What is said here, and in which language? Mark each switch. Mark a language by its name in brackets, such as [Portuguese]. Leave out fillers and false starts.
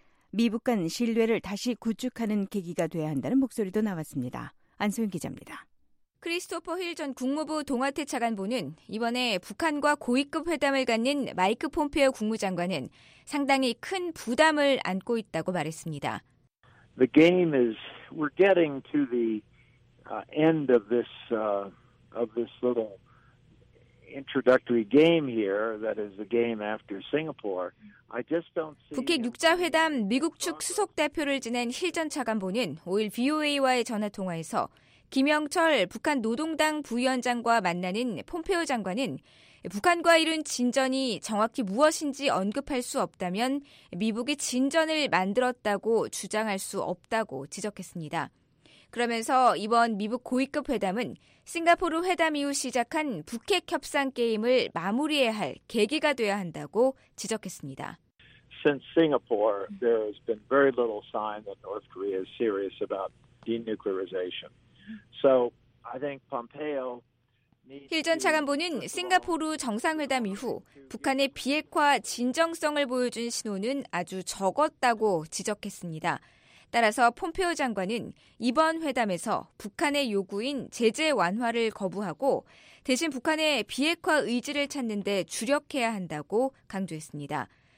[Korean] 미북 간 신뢰를 다시 구축하는 계기가 돼야 한다는 목소리도 나왔습니다. 안소영 기자입니다. 크리스토퍼 힐 전 국무부 동아태 차관보는 이번에 북한과 고위급 회담을 갖는 마이크 폼페오 국무장관은 상당히 큰 부담을 안고 있다고 말했습니다. [English] The game is we're getting to the end of this little introductory game here that is the game after Singapore. I just don't see [Korean] 북핵 6자 회담 미국 측 수석 대표를 지낸 힐 전 차관보는 5일 VOA와의 전화 통화에서 김영철 북한 노동당 부위원장과 만나는 폼페오 장관은 북한과 이룬 진전이 정확히 무엇인지 언급할 수 없다면 미북이 진전을 만들었다고 주장할 수 없다고 지적했습니다. 그러면서 이번 미북 고위급 회담은 싱가포르 회담 이후 시작한 북핵 협상 게임을 마무리해야 할 계기가 돼야 한다고 지적했습니다. [English] Since Singapore, there has been very little sign that North Korea is serious about denuclearization. So I think Pompeo [Korean] 힐 전 차관보는 싱가포르 정상회담 이후 북한의 비핵화 진정성을 보여준 신호는 아주 적었다고 지적했습니다. 따라서 폼페오 장관은 이번 회담에서 북한의 요구인 제재 완화를 거부하고 대신 북한의 비핵화 의지를 찾는 데 주력해야 한다고 강조했습니다.